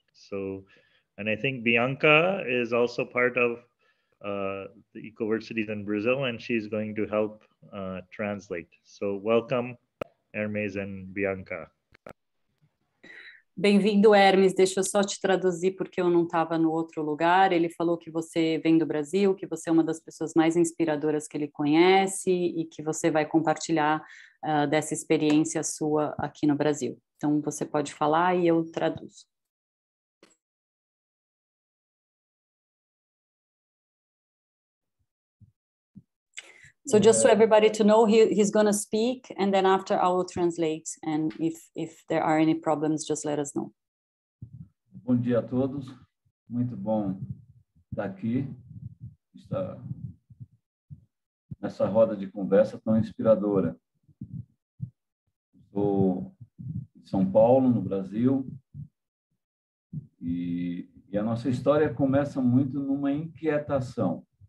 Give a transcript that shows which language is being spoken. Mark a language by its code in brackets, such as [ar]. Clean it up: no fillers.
[en] And I think Bianca is also part of the Ecoversities in Brazil, and she's going to help translate. So welcome, Hermes and Bianca. [pt] Bem-vindo, Hermes. Deixa eu só te traduzir porque eu não estava no outro lugar. Ele falou que você vem do Brasil, que você é uma das pessoas mais inspiradoras que ele conhece e que você vai compartilhar dessa experiência sua aqui no Brasil. Então, você pode falar e eu traduzo. [en] So just so everybody to know, he's going to speak, and then after I will translate. And if there are any problems, just let us know. [pt] Bom dia a todos. Muito bom estar aqui, estar nessa roda de conversa tão inspiradora. Estou em São Paulo, no Brasil, e a nossa história começa muito numa inquietação.